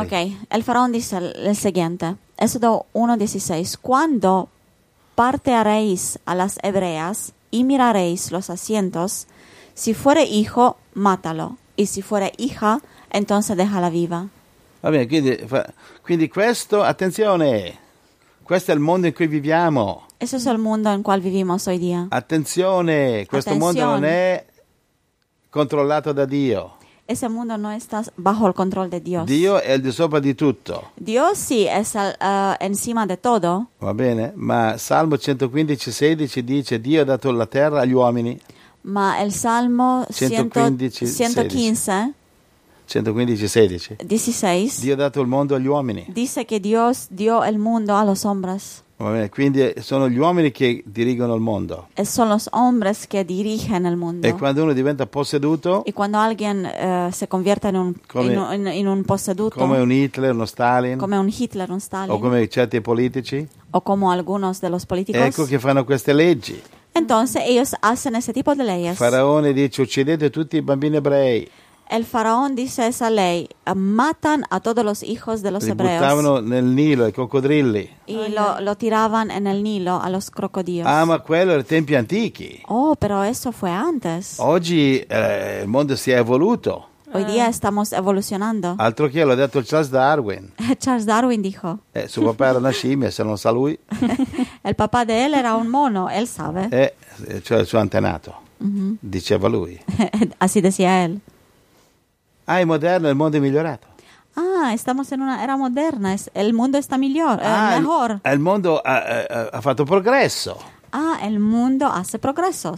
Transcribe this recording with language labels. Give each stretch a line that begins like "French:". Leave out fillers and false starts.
Italian: Ok, il faraone disse il seguente. Esodo 1:16.
Spanish: Quando partireis a las ebreas y mirareis los asientos, si fuere hijo, matalo. Y si fuere hija, entonces déjala viva.
Italian: Va bene, quindi questo, attenzione, questo è il mondo in cui viviamo.
Spanish: Ese es el mundo en cual vivimos hoy día.
Italian: Attenzione, questo mondo non è controllato da Dio.
Spanish: Ese mundo no está bajo el control de Dios.
Italian: Dio è al di sopra di tutto.
Spanish: Dios sí, es encima de todo.
Italian: Va bene, ma Salmo 115:16 dice Dio ha dato la terra agli uomini. Ma il Salmo 115:16. Dio ha dato il mondo agli uomini. Dice che Dio dio il mondo
Spanish: a los hombres.
Italian: Va bene, quindi sono gli uomini che dirigono il mondo. E sono
Spanish: los hombres que dirigen el mundo.
Italian: E quando uno diventa posseduto? E quando
Spanish: alguien se convierte
Italian: in un posseduto? Come un Hitler, uno Stalin? Come un Hitler, uno Stalin? O come certi politici?
Spanish: O como algunos de los políticos?
Italian: Ecco che fanno queste leggi.
Spanish: Entonces ellos hacen ese tipo de leyes.
Italian: Faraone dice uccidete tutti i bambini ebrei.
Spanish: El faraón dice esa ley, matan a todos los hijos de los hebreos.
Italian: Li buttavano nel Nilo ai coccodrilli.
Spanish: Lo tiraban en el Nilo a los crocodilos.
Italian: Ah, ma quello erano tempi antichi.
Spanish: Oh, pero eso fue antes.
Italian: Oggi il mondo si è evoluto.
Spanish: Hoy día estamos evolucionando.
Italian: Altro che l'ha detto Charles Darwin.
Spanish: Charles Darwin dijo.
Italian: Suo papà era una scimmia, se non sa lui.
Spanish: El papá de él era un mono, él sabe.
Italian: Cioè il suo antenato, diceva lui.
Spanish: Así decía él.
Italian: Ah, è moderno, il mondo è migliorato.
Spanish: Ah, estamos en una era moderna, el mundo está mejor.
Italian: Il mondo ha fatto progresso.
Spanish: Ah, el mundo hace progresos.